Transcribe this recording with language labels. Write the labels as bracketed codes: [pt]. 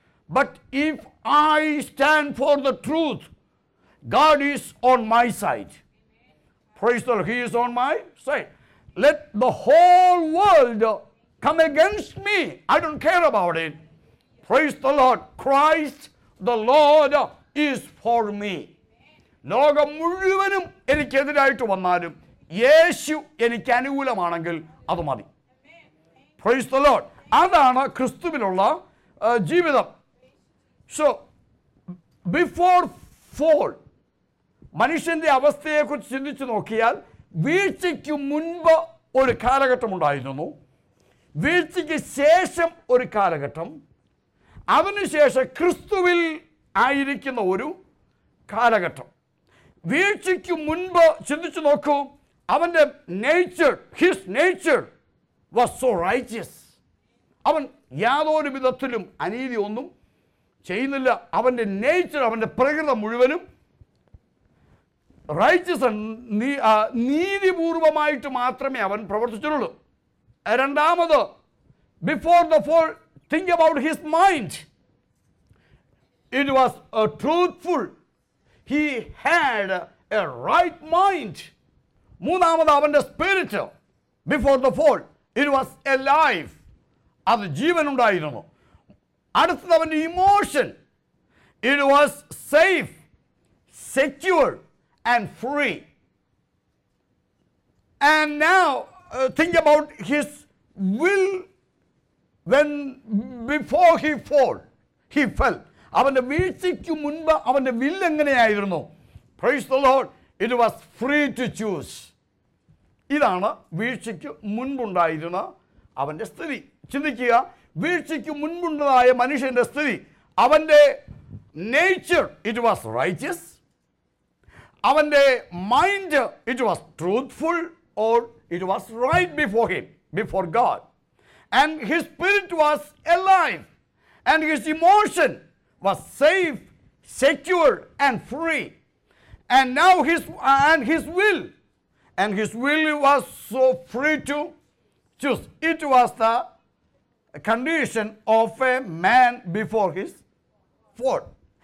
[en] But if I stand for the truth, God is on my side. Praise the Lord, he is on my side. Let the whole world come against me, I don't care about it. Praise the Lord, Christ the Lord is for me. [ml] ലോകം മുഴുവനും എനിക്കെതിരായിട്ട് വന്നാലും യേശു എനിക്ക് അനുകൂലമാണെങ്കിൽ അത് മതി. [en] Praise the Lord. [ml] അതാണ് ക്രിസ്തുവിലുള്ള ജീവിതം. [en] so before fall, [ml] മനുഷ്യൻ്റെ അവസ്ഥയെക്കുറിച്ച് ചിന്തിച്ചു നോക്കിയാൽ വീഴ്ചയ്ക്ക് മുൻപ് ഒരു കാലഘട്ടം ഉണ്ടായിരുന്നു, വീഴ്ചയ്ക്ക് ശേഷം ഒരു കാലഘട്ടം, അതിനുശേഷം ക്രിസ്തുവിൽ ആയിരിക്കുന്ന ഒരു കാലഘട്ടം. വീഴ്ചയ്ക്ക് മുൻപ് ചിന്തിച്ചു നോക്കൂ, അവൻ്റെ nature, [en] His nature was so righteous. [ml] അവൻ യാതൊരു വിധത്തിലും അനീതി ഒന്നും ചെയ്യുന്നില്ല. അവൻ്റെ നേച്ചർ, അവൻ്റെ പ്രകൃതം മുഴുവനും റൈറ്റിയസ്, നീതിപൂർവമായിട്ട് മാത്രമേ അവൻ പ്രവർത്തിച്ചിട്ടുള്ളൂ. രണ്ടാമത്, [en] Before the fall, think about his mind. It was truthful. He had a right mind. [ml] മൂന്നാമത്, അവൻ്റെ spirit. [en] before the fall it was a life, [ml] അത് ജീവനുണ്ടായിരുന്നു. അടുത്തത്, അവൻ്റെ emotion. [en] It was safe, secure and free. And now think about his will. When before he fall, he fell. [ml] അവൻ്റെ വീഴ്ചയ്ക്ക് മുൻപ് അവൻ്റെ വില്ല് എങ്ങനെയായിരുന്നു? [en] Praise the Lord, it was free to choose. [ml] ഇതാണ് വീഴ്ചയ്ക്ക് മുൻപുണ്ടായിരുന്ന അവൻ്റെ സ്ഥിതി. ചിന്തിക്കുക, വീഴ്ചയ്ക്ക് മുൻപുണ്ടായ മനുഷ്യൻ്റെ സ്ഥിതി. [en] അവൻ്റെ nature, it was righteous. അവൻ്റെ mind, it was truthful or it was right before him, before God. And his spirit was alive. And his emotion was safe, secure, and free. And now his will was so free to choose. It was the condition of a man before his fall.